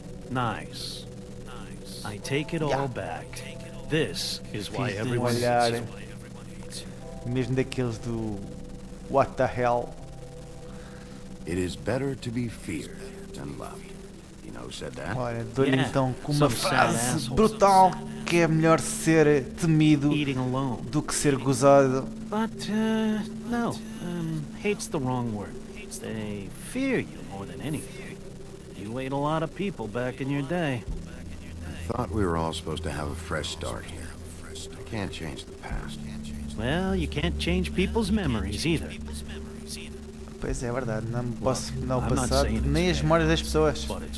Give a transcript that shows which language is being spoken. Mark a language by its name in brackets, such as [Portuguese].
[English] Nice. I take it all back. This is why everyone hates. [Portuguese] Mesmo daqueles do [English] what the hell. It is better to be feared than loved. You know, said that. [Portuguese] Olha, dou-lhe então com uma frase brutal. Que é melhor ser temido do que ser gozado. [English] But, no. Hate's the wrong word. Americans, they fear you more than anything. You ate a lot of people back in your day. I thought we were all supposed to have a fresh start here. I can't change the past. Well, you can't change people's memories either. [Portuguese] Pois é, é verdade, não posso mudar o passado nem as memórias das pessoas.